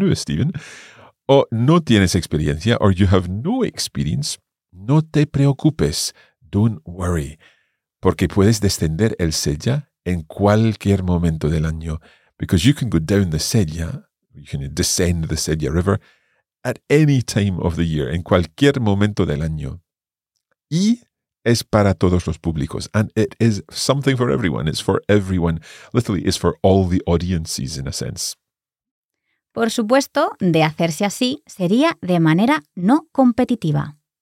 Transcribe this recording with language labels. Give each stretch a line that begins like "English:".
English: even,
Spanish: o no tienes experiencia,
English: or you have no experience,
Spanish: no te preocupes,
English: don't worry,
Spanish: porque puedes descender el Sella en cualquier momento del año,
English: because you can go down the Sella, you can descend the Sella River, at any time of the year,
Spanish: en cualquier momento del año. Y es para todos los públicos.
English: And it is something for everyone. It's for everyone. Literally, it's for all the audiences, in a sense.
Spanish: Por supuesto, de hacerse así, sería de manera no competitiva.